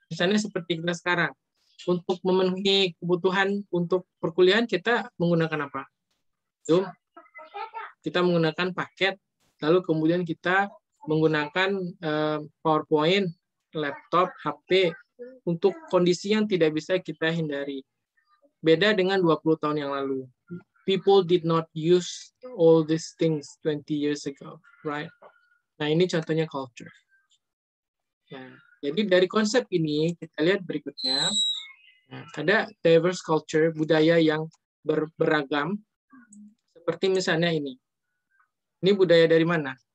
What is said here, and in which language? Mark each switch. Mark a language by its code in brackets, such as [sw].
[id] Misalnya seperti kita sekarang, untuk memenuhi kebutuhan untuk perkuliahan kita menggunakan apa? Zoom. Kita menggunakan paket, lalu kemudian kita menggunakan PowerPoint, laptop, HP untuk kondisi yang tidak bisa kita hindari. Beda dengan 20 tahun yang lalu. [en] People did not use all these things 20 years ago, right? [id] Nah, ini contohnya culture. Nah, jadi dari konsep ini, kita lihat berikutnya. Nah, ada diverse culture, budaya yang beragam. Seperti misalnya ini. Ini budaya dari mana?